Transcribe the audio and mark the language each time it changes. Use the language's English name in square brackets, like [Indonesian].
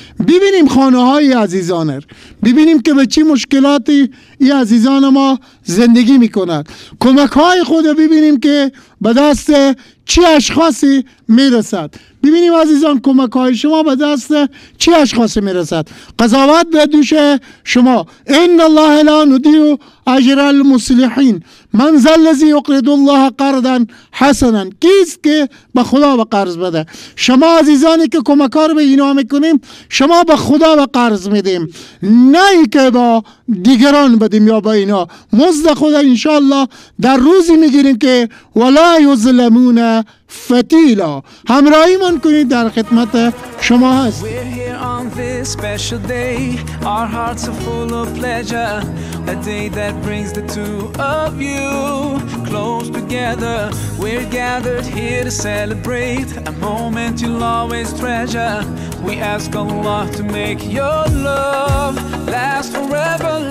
[Persian] ببینیم خانه های عزیزانه، ببینیم که به چی مشکلاتی این عزیزان ما زندگی میکنند. کمک های خود رو ببینیم که به دست چی اشخاصی میرسد. ببینیم عزیزان، کمک های شما به دست چی اشخاصی میرسد. قضاوت به دوش شما. [Arabic] ان الله لا نضيع اجر المصلحين من ذا الذي يقرض الله قرضا حسنا. [Persian] کیست که به خدا به قرض بده؟ شما عزیزانی که کمک ها رو به اینا میکنیم، شما به خدا به قرض میدیم، نه ای که با دیگران بدیم یا با اینا. مزد خدا انشاءالله در روزی میگیریم که [Arabic] ولا یظلمون فتیلا. [Persian] همراهی من کنید، در خدمت شما هست. [English] This special day, our hearts are full of pleasure, a day that brings the two of you close together. We're gathered here to celebrate a moment you'll always treasure. We ask Allah to make your love last forever.